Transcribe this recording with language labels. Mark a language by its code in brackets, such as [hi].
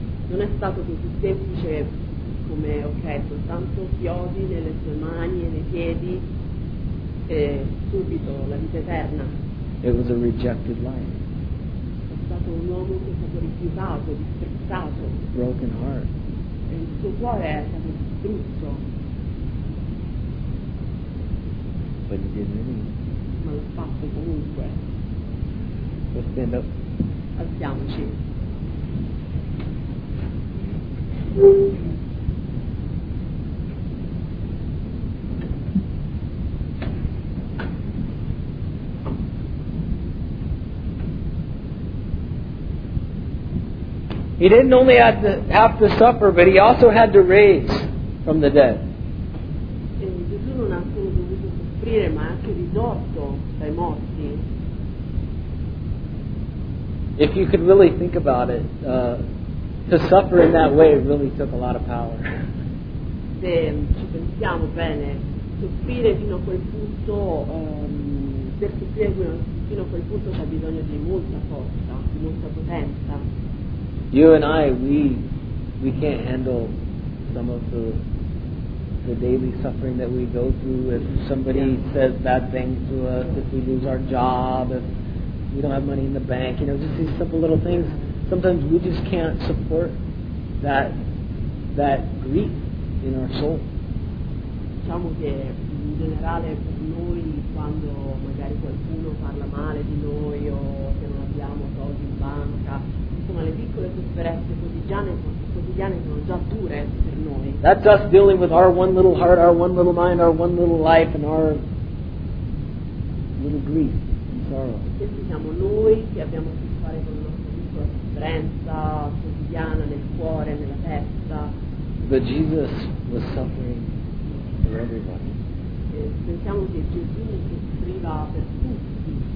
[it] Non è stato così semplice come, ok, soltanto chiodi nelle sue mani e nei piedi e subito la vita eterna. [en] It was a rejected life. [it] È stato un uomo che è stato rifiutato, disprezzato. [en] Broken heart. [it] E il suo cuore è stato distrutto. [en] But he did anyway. [it] Ma l'ha fatto comunque. [en] Let's stand up. [it] Alziamoci. [en] He didn't only have to suffer, but he also had to raise from the dead. [it] Gesù non ha solo dovuto soffrire, ma anche risorto dai morti. [en] If you could really think about it, to suffer in that way really took a lot of power. [it] Se ci pensiamo bene, soffrire fino a quel punto, per soffrire fino a quel punto c'è bisogno di molta forza, di molta potenza. [en] You and I, we can't handle some of the daily suffering that we go through. If somebody says bad things to us, if we lose our job, if we don't have money in the bank, you know, just these simple little things. Sometimes we just can't support that grief in our soul. [it] Diciamo che in generale per noi quando magari qualcuno parla male di noi o che non abbiamo soldi in banca, insomma le piccole sofferenze quotidiane sono già dure per noi. [en] That's us dealing with our one little heart, our one little mind, our one little life and our little grief and sorrow. [it] Questi siamo noi che abbiamo a che fare con noi. Sofferenza quotidiana nel cuore, nella testa. [en] But Jesus was suffering for everybody. [it] Pensiamo che Gesù soffriva per tutti.